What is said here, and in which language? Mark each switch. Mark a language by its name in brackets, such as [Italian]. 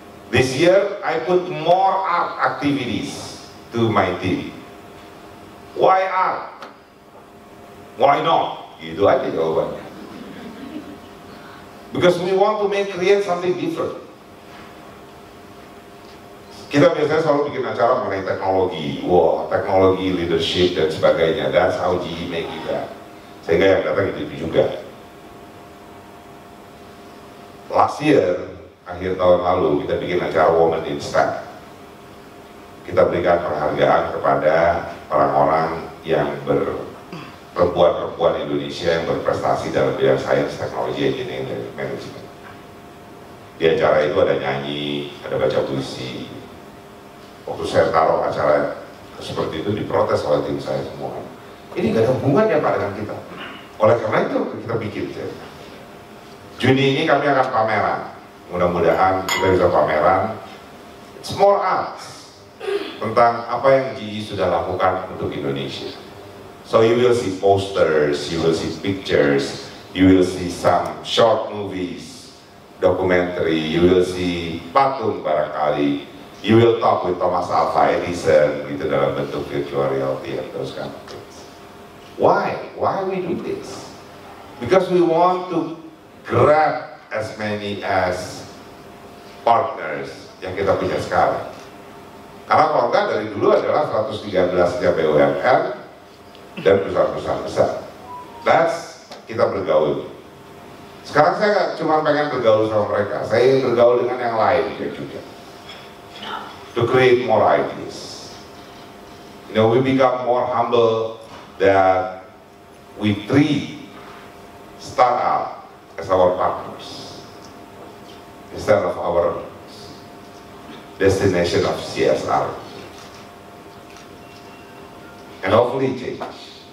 [English] This year, I put more art activities to my team. Why art? Why not? [Indonesian] Itu aja jawabannya. [English] Because we want to make create something different. [Indonesian] Kita biasanya selalu bikin acara mengenai teknologi. Wow, teknologi, leadership, dan sebagainya. [English] That's how GE make it up. [Indonesian] Sehingga yang datang itu juga. [English] Last year, [Indonesian] akhir tahun lalu, kita bikin acara Women in STEM. Kita berikan penghargaan kepada orang-orang yang perempuan-perempuan Indonesia yang berprestasi dalam bidang sains, teknologi, engineering, dan management. Di acara itu ada nyanyi, ada baca puisi. Waktu saya taruh acara seperti itu, diprotes oleh tim saya semua. Ini gak ada hubungannya Pak dengan kita. Oleh karena itu, kita pikir. Ya. Juni ini kami akan pameran. Mudah-mudahan kita bisa pameran. [English] Small arts. [Indonesian] Tentang apa yang GE sudah lakukan untuk Indonesia. [English] So you will see posters, you will see pictures, you will see some short movies, documentary, you will see [Indonesian] patung barangkali, [English] you will talk with Thomas Alva Edison, [Indonesian] gitu, dalam bentuk [English] virtual reality and those kind of things. Why? Why we do this? Because we want to grab as many as partners [Indonesian] yang kita punya sekarang. Karena Korga dari dulu adalah 113 nya BUMN dan perusahaan-perusahaan besar. [English] That's [Indonesian] kita bergaul. Sekarang saya gak cuma pengen bergaul sama mereka, saya ingin bergaul dengan yang lain juga. [English] To create more ideas. You know, we become more humble that we treat startup as our partners instead of our destination of CSR. And hopefully change.